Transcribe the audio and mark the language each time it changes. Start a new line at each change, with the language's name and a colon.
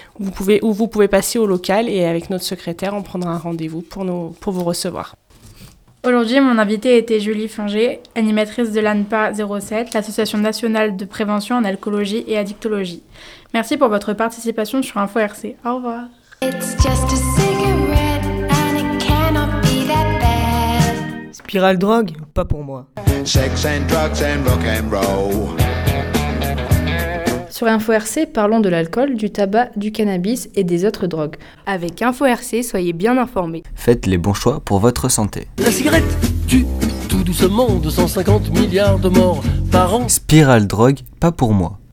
French: Vous pouvez passer au local et avec notre secrétaire, on prendra un rendez-vous pour vous recevoir. Aujourd'hui, mon invitée était Julie Fanger, animatrice de l'ANPA 07, l'Association nationale de prévention en alcoolologie et addictologie. Merci pour votre participation sur Info RC. Au revoir.
English: It's just a cigarette and it cannot be that bad.
French: Spirale drogue, pas pour moi.
English: Sex and drugs and rock and roll.
French: Sur Info RC, parlons de l'alcool, du tabac, du cannabis et des autres drogues. Avec Info RC, soyez bien informés. Faites les bons choix pour votre santé. La cigarette tue tout doucement 250 milliards de morts par an. Spirale drogue, pas pour moi.